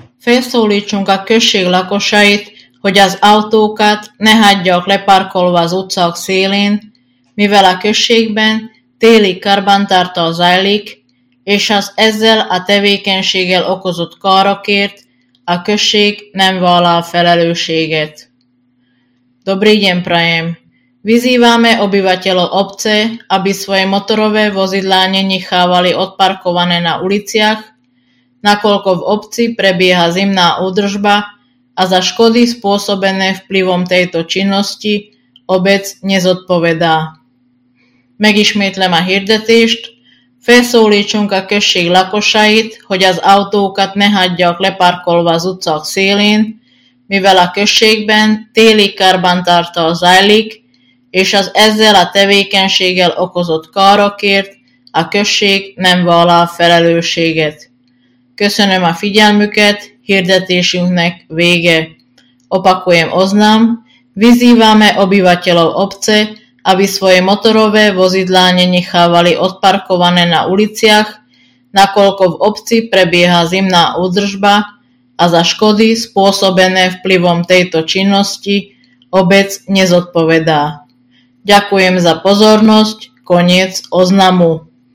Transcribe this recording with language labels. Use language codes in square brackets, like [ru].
[hu] Felszólítsunk a község lakosait, hogy az autókat ne hagyjak leparkolva az utcák szélén, mivel a községben téli karbantartó zajlik, és az ezzel a tevékenységgel okozott károkért a község nem vállal felelősséget. [sk] Dobrý deň, prajem! Vyzývame obyvateľov obce, aby svoje motorové vozidlá nenechávali odparkované na uliciach, nakoľko v obci prebieha zimná údržba a za škody spôsobené vplyvom tejto činnosti obec nezodpovedá. [hu] Megismétlem a hirdetést, felszólítsunk a község lakosait, hogy az autókat ne hagyjak leparkolva az utcák szélén, mivel a községben téli karbantartó zajlik, és az ezzel a tevékenységgel okozott károkért a község nem vállal felelősséget. Köszönöm a figyelmüket, hirdetésünknek vége. [sk] Opakujem oznám, vyzývame obyvateľov obce, aby svoje motorové vozidlá nenechávali odparkované na uliciach, nakoľko v obci prebieha zimná údržba a za škody spôsobené vplyvom tejto činnosti obec nezodpovedá. Ďakujem za pozornosť, koniec oznamu.